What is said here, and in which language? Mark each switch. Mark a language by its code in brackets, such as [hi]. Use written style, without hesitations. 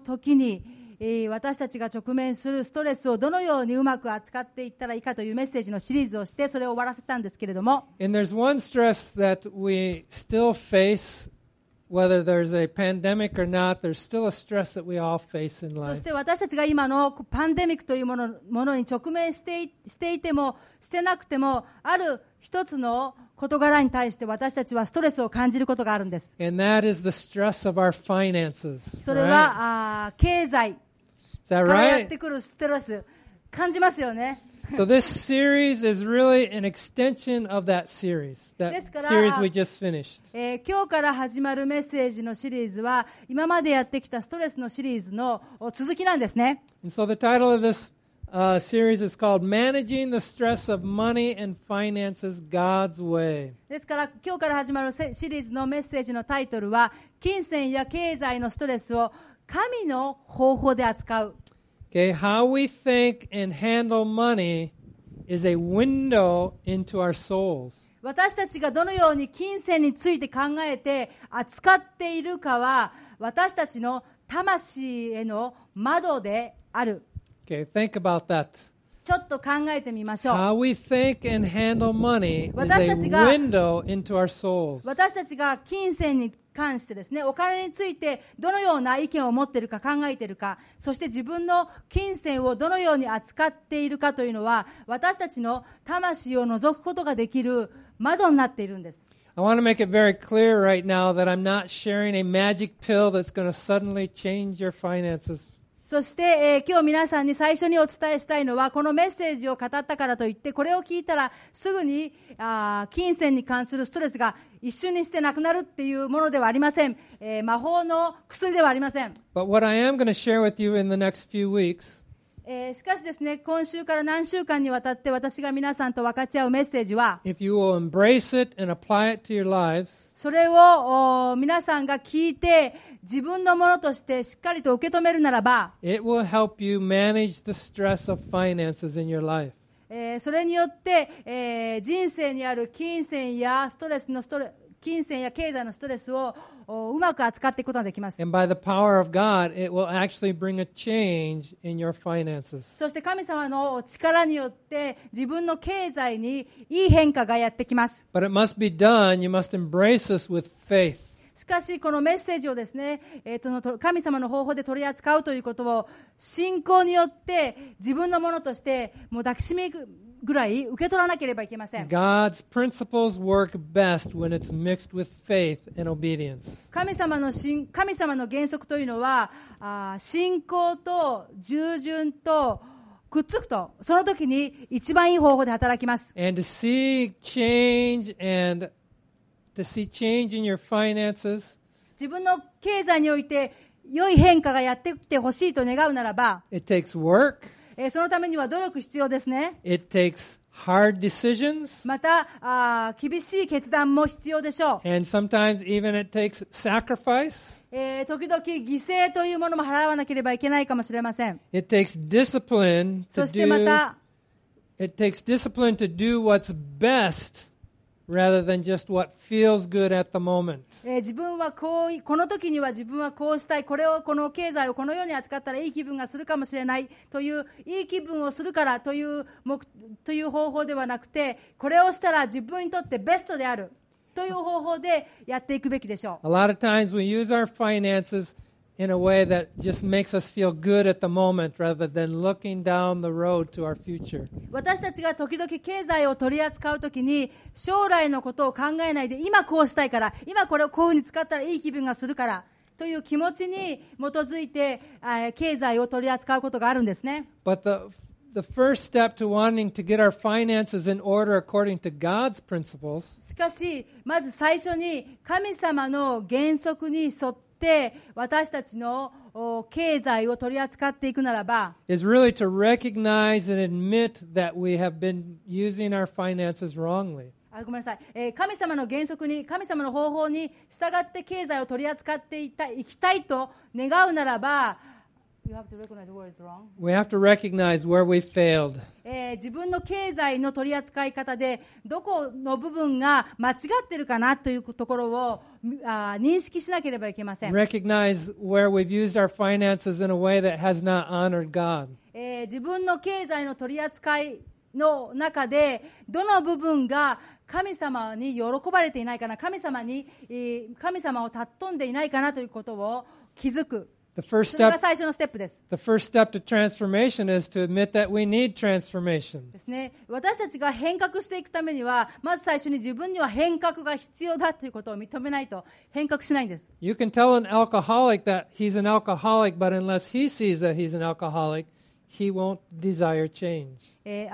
[ja] 時に、私たちが直面するストレスをどのようにうまく扱っていったらいいかというメッセージのシリーズをしてそれを終わらせたんですけれども、 [en] And there's one stress that we still face, whether there's a pandemic or not, there's still a stress that we all face in life. [ja] そして私たちが今のパンデミックというものに直面していてもしてなくても、ある一つの事柄に対して私たちはストレスを感じることがあるんです。 [en] And that is the stress of our finances, right? [ja] それは経済からやってくるストレス感じますよね。 [en] So this series is really an extension of that series. That series we just finished. [ja] 今日から始まるメッセージのシリーズは今までやってきたストレスのシリーズの続きなんですね。 [en] And so the title of thisseries is called Managing the Stress of Money and Finances God's Way. [ja] ですから今日から始まるシリーズのメッセージのタイトルは金銭や経済のストレスを神の方法で扱う。 [en] Okay, how we think and handle money is a window into our souls. [ja] 私たちがどのように金銭について考えて扱っているかは私たちの魂への窓である。 [en] Okay, think about that. [ja] ちょっと考えてみましょう。 [en] How we think and handle money is a window into our souls. [ja] 私たちが金銭に関してですね、お金についてどのような意見を持っているか考えているか、そして自分の金銭をどのように扱っているかというのは、私たちの魂を覗くことができる窓になっているんです。 [en] I want to make it very clear right now that I'm not sharing a magic pill that's going to suddenly change your finances. [ja] そして、今日皆さんに最初にお伝えしたいのはこのメッセージを語ったからといってこれを聞いたらすぐに金銭に関するストレスが一瞬にしてなくなるっていうものではありません、魔法の薬ではありません。 [en] But what I am going to share with you in the next few weeks、 [ja] しかしですね、今週から何週間にわたって私が皆さんと分かち合うメッセージは [en] If you will embrace it and apply it to your lives、 [ja] それを皆さんが聞いて自分のものとしてしっかりと受け止めるならば、 [en] It will help you manage the stress of finances in your life. [ja] それによって、人生にある金銭やストレスのストレ、金銭や経済のストレスをうまく扱っていくことができます。 [en] And by the power of God, it will actually bring a change in your finances. [ja] そして神様の力によって自分の経済にいい変化がやってきます。 [en] But it must be done. You must embrace this with faith. [ja] しかしこのメッセージをですね、神様の方法で取り扱うということを信仰によって自分のものとしてもう抱きしめぐらい受け取らなければいけません。 [en] God's principles work best when it's mixed with faith and obedience. [ja] 神様の原則というのは信仰と従順とくっつくとその時に一番いい方法で働きます。 [en] And to see change andTo see change in your finances. [ja] 自分の経済において良い変化がやってきてほしいと願うならば、 [en] It takes work. [ja] そのためには努力必要ですね。 [en] It takes hard decisions. [ja] また、厳しい決断も必要でしょう。 [en] And sometimes even it takes sacrifice. [ja] 時々犠牲というものも払わなければいけないかもしれません。 [en] It takes discipline to do. [ja] そしてまた、 [en] It takes discipline to do what's best. Rather than just what feels good at the moment. [ja] 自分はこう、この時には自分はこうしたい、これをこの経済をこのように扱ったらいい気分がするかもしれないといういい気分をするからという方法ではなくて、これをしたら自分にとってベストであるという方法でやっていくべきでしょう。 [en] A lot of times we use our finances in a way that just makes us feel good at the moment rather than looking down the road to our future. [ja] 私たちが時々経済を取り扱うときに将来のことを考えないで今こうしたいから今これをこういうふうに使ったらいい気分がするからという気持ちに基づいて経済を取り扱うことがあるんですね。 [en] But the first step to wanting to get our finances in order according to God's principles [ja] しかしまず最初に神様の原則に沿って私たちの経済を取り扱っていくならば、 [en] is really to recognize and admit that we have been using our finances wrongly. [ja] ごめんなさい。神様の原則に、神様の方法に従って経済を取り扱っていきたいと願うならば、 [en] You have to recognize where it's wrong. We have to recognize where we failed. [ja] 自分の経済の取り扱い方でどこの部分が間違ってるかなというところを認識しなければいけません。 [en] Recognize where we've used our finances in a way that has not honored God. [ja] 自分の経済の取り扱いの中でどの部分が神様に喜ばれていないかな、神様を尊んでいないかなということを気づく。それが最初のステップです。 [en] The first step to transformation is to admit that we need transformation. [ja] ですね。私たちが変革していくためには、まず最初に自分には変革が必要だということを認めないと変革しないんです。 [en] You can tell an alcoholic that he's an alcoholic, but unless he sees that he's an alcoholic,He won't desire change.